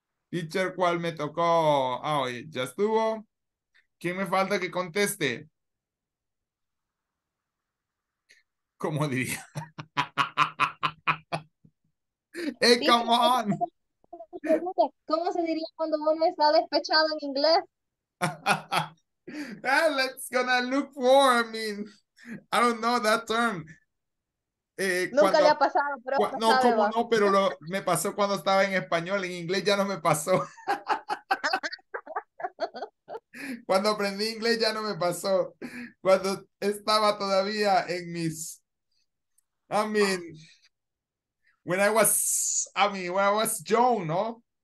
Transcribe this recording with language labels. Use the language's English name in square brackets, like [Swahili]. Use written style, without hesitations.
[Spanish] Teacher, ¿cuál me tocó? Ah, oye, ya estuvo. ¿Quién me falta que conteste? ¿Cómo diría? [English] ¡Hey, come on! [Spanish] ¿Cómo se diría cuando uno está despechado en inglés? [English] Let's gonna look for, I mean, I don't know that term. [Spanish] Nunca cuando, le ha pasado, pero no, sabe, ¿cómo va? No, pero me pasó cuando estaba en español, en inglés ya no me pasó. Cuando aprendí inglés ya no me pasó. Cuando estaba todavía en mis, [English] I mean, when I was young, [Spanish] ¿no?